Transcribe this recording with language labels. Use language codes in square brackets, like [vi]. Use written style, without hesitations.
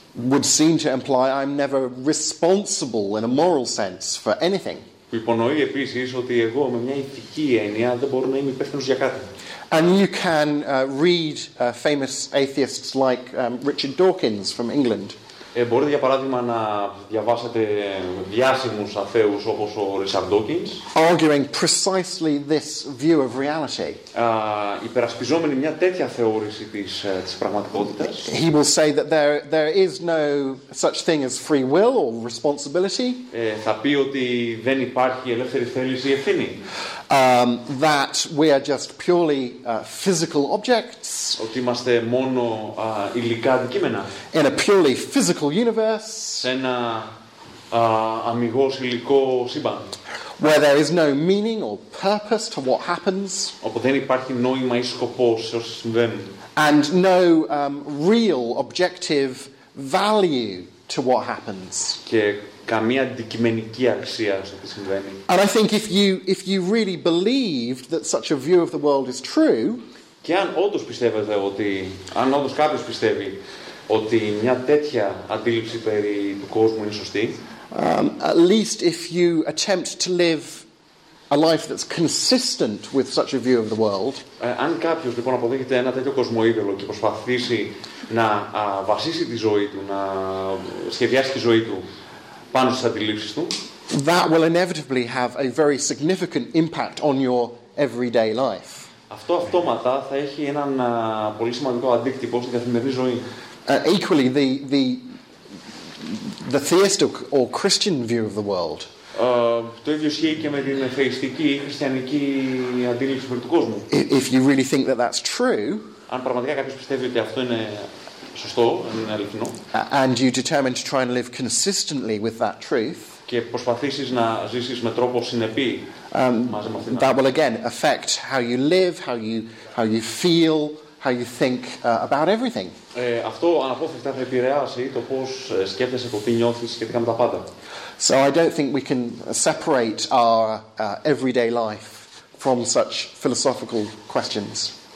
[en] Would seem to imply I'm never responsible in a moral sense for anything. [el] Υπονοεί επίσης ότι εγώ με μια ηθική έννοια δεν μπορώ να είμαι υπεύθυνος για κάτι. [en] And you can read famous atheists like Richard Dawkins from England. [el] Μπορείτε για παράδειγμα να διαβάσετε διάσημους αθέους όπως ο Richard Dawkins. [en] Arguing precisely this view of reality. [el] Υπερασπιζόμενοι μια τέτοια θεώρηση της πραγματικότητας. [en] He will say that there is no such thing as free will or responsibility. [el] Θα πει ότι δεν υπάρχει ελεύθερη θέληση ή ευθύνη. [en] That we are just purely physical objects. [el] Ότι είμαστε μόνο υλικά αντικείμενα. [en] In a purely physical universe. [el] Σε ένα αμιγώς υλικό σύμπαν. [en] Where there is no meaning or purpose to what happens. [el] Όπου δεν υπάρχει νόημα ή σκοπός σε όσα συμβαίνουν. [en] And no real objective value to what happens. [el] Καμία αντικειμενική αξία στο τι συμβαίνει. [en] And I think if you really believed that such a view of the world is true, [el] και αν όντως πιστεύετε ότι, αν όντως κάποιος πιστεύει ότι μια τέτοια αντίληψη περί του κόσμου είναι σωστή, [en] at least if you attempt to live a life that's consistent with such a view of the world, [el] αν κάποιος λοιπόν αποδέχεται ένα τέτοιο κοσμοίδωλο και προσπαθήσει να βασίσει τη ζωή του, να σχεδιάσει τη ζωή του πάνω στις αντιλήψεις του, [en] that will inevitably have a very significant impact on your everyday life. [el] Αυτό αυτόματα θα έχει έναν πολύ σημαντικό αντίκτυπο στην καθημερινή ζωή. [en] Equally, the theist or Christian view of the world. [el] Το ίδιο ισχύει και με την θεϊστική ή χριστιανική αντίληψη του κόσμου. [en] If you really think that that's true, [el] αν πραγματικά κάποιος πιστεύει ότι αυτό είναι Σωστό, είναι αληθινό. [en] And you determine to try and live consistently with that truth. [el] Και προσπαθήσεις να ζήσεις με τρόπο συνεπή. [en] That will again affect how you live, how you feel, how you think about everything. [el] Αυτό αναπόφευκτα θα επηρεάσει το πώς σκέφτεσαι, το τι νιώθεις σχετικά με τα πάντα. [en] So I don't think we can separate our everyday life from such philosophical questions.